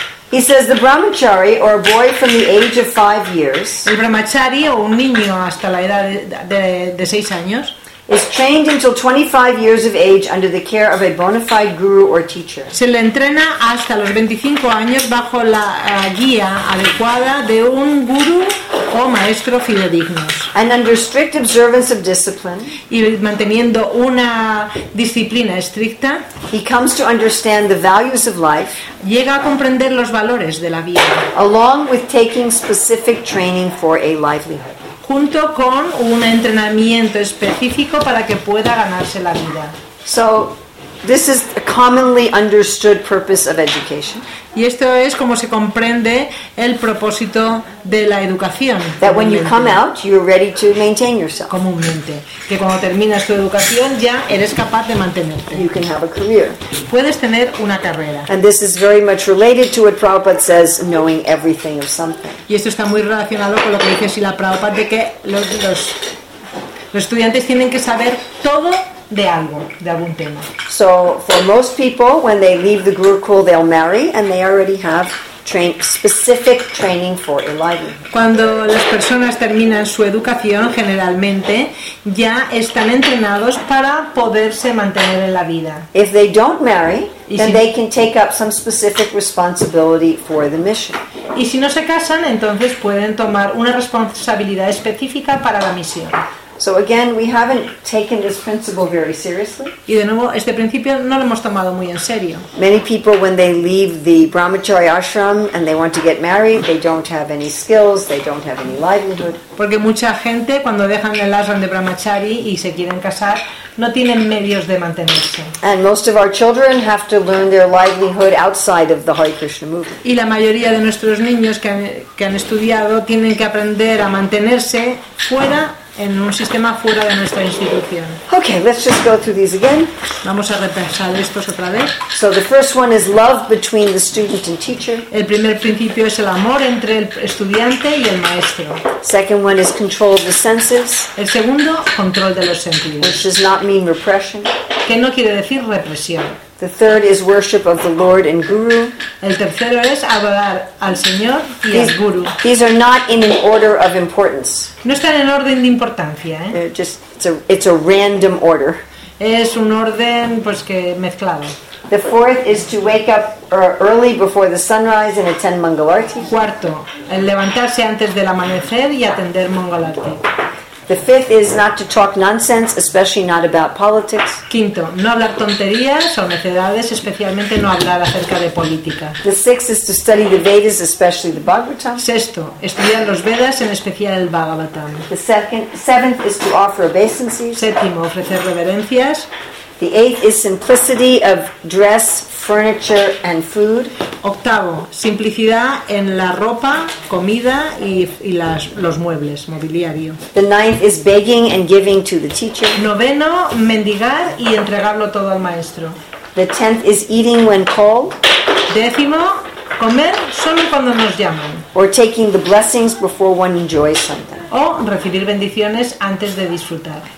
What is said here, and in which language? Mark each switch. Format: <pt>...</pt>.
<en>He says the brahmachari or a boy from the age of 5 years.</en> <es>El brahmachari o un niño hasta la edad de 6 años</es> <en>is trained until 25 years of age under the care of a bona fide guru or teacher.</en> <es>Se le entrena hasta los 25 años bajo la guía adecuada de un guru o maestro fidedigno.</es> <en>And under strict observance of discipline,</en> <es>y manteniendo una disciplina estricta,</es> <en>he comes to understand the values of life,</en> <es>llega a comprender los valores de la vida,</es> <en>along with taking specific training for a livelihood.</en> <es>Junto con un entrenamiento específico para que pueda ganarse la vida.</es> <en>So, this is a commonly understood purpose of education.</en> <es>Y esto es como se comprende el propósito de la educación.</es> <en>That when you come out, you're ready to maintain yourself.</en> <es>Comúnmente, que cuando terminas tu educación ya eres capaz de mantenerte.</es> <en>You can have a career.</en> <es>Puedes tener una carrera.</es> <en>And this is very much related to what Prabhupada says, knowing everything of something.</en> <es>Y esto está muy relacionado con lo que dice Srila Prabhupada de que los estudiantes tienen que saber todo de algo, de algún tema.</es> <en>So for most people, when they leave the gurukul, they'll marry and they already have specific training for a livelihood.</en> <es>Cuando las personas terminan su educación, generalmente ya están entrenados para poderse mantener en la vida.</es> <en>If they don't marry, then they can take up some specific responsibility for the mission.</en> <es>Y si no se casan, entonces pueden tomar una responsabilidad específica para la misión.</es> <en>So again, we haven't taken this principle very seriously.</en> <es>Y de nuevo, este principio no lo hemos tomado muy en serio.</es> <en>Many people, when they leave the brahmachari ashram and they want to get married, they don't have any skills, they don't have any livelihood.</en> <es>Porque mucha gente, cuando dejan el ashram de brahmachari y se quieren casar, no tienen medios de mantenerse.</es> <en>And most of our children have to learn their livelihood outside of the Hare Krishna movement.</en> <es>Y la mayoría de nuestros niños que han estudiado tienen que aprender a mantenerse fuera en un sistema fuera de nuestra institución.</es> <en>Okay, let's just go through these again.</en> <es>Vamos a repasar estos otra vez.</es> <en>So the first one is love between the student and teacher.</en> <es>El primer principio es el amor entre el estudiante y el maestro.</es> <en>Second one is control of the senses.</en> <es>El segundo, control de los sentidos.</es> <en>Which does not mean repression.</en> <es>Que no quiere decir represión.</es> <en>The third is worship of the Lord and Guru.</en> <es>El tercero es adorar al Señor y al Guru.</es> <en>These are not in an order of importance.</en> <es>No están en orden de importancia, ¿eh?</es> <en>It's a random order.</en> <es>Es un orden, pues, que mezclado.</es> <en>The fourth is to wake up early before the sunrise and attend Mangalarti.</en> <es>Cuarto, el levantarse antes del amanecer y atender Mangalarti.</es> <en>The fifth is not to talk nonsense, especially not about politics.</en> <es>Quinto, no hablar tonterías o necedades, especialmente no hablar acerca de política.</es> <en>The sixth is to study the Vedas, especially the Bhagavatam.</en> <es>Sexto, estudiar los Vedas, en especial el Bhagavatam.</es> <en>The seventh is to offer obeisances.</en> <es>Séptimo, ofrecer reverencias.</es> <en>The eighth is simplicity of dress, furniture, and food.</en> <es>Octavo, simplicidad en la ropa, comida y los muebles, mobiliario.</es> <en>The ninth is begging and giving to the teacher.</en> <es>Noveno, mendigar y entregarlo todo al maestro.</es> <en>The tenth is eating when called.</en> <es>Décimo, comer solo cuando nos llaman.</es> <en>Or taking the blessings before one enjoys something.</en> <es>O recibir bendiciones antes de disfrutar.</es>